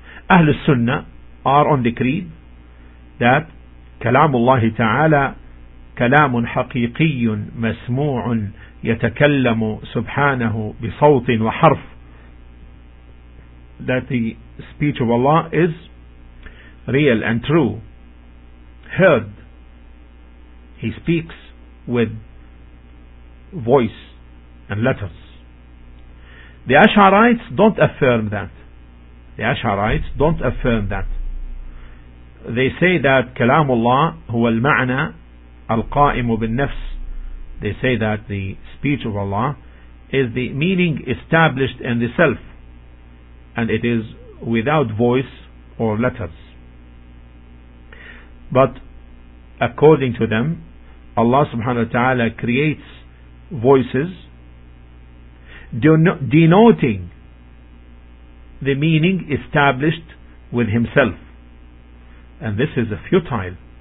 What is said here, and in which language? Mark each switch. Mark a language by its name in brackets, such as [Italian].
[English] Ahlus Sunnah are on the creed that Kalamullahi Ta'ala [Arabic] كلام حقيقي مسموع يتكلم سبحانه بصوت وحرف, [English] that the speech of Allah is real and true, heard. He speaks with voice and letters. The Ash'arites don't affirm that. The Ash'arites don't affirm that. They say that [Arabic] كلام الله هو المعنى القائم بالنفس. [English] They say that the speech of Allah is the meaning established in the self and it is without voice or letters. But according to them, Allah subhanahu wa ta'ala creates voices denoting the meaning established with himself, and this is a futile.